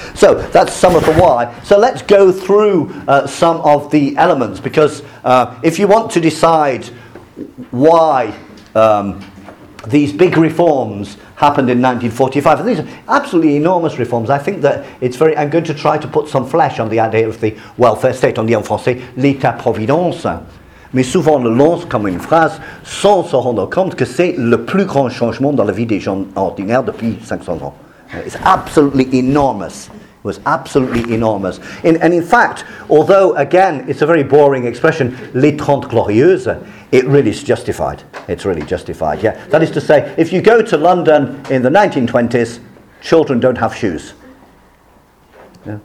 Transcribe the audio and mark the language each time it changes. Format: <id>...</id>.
<en>So that's some of the why. So let's go through some of the elements. Because if you want to decide why these big reforms happened in 1945. And these are absolutely enormous reforms. I think that it's very... I'm going to try to put some flesh on the idea of the welfare state.</en> <fr>On dit en français, l'état-providence. Mais souvent, le lance comme une phrase sans se rendre compte que c'est le plus grand changement dans la vie des gens ordinaires depuis 500 ans.</fr> <en>It's absolutely enormous. It was absolutely enormous. And in fact, although, again, it's a very boring expression, les trente glorieuses, it really is justified. It's really justified, yeah. That is to say, if you go to London in the 1920s, children don't have shoes. Yeah.</en>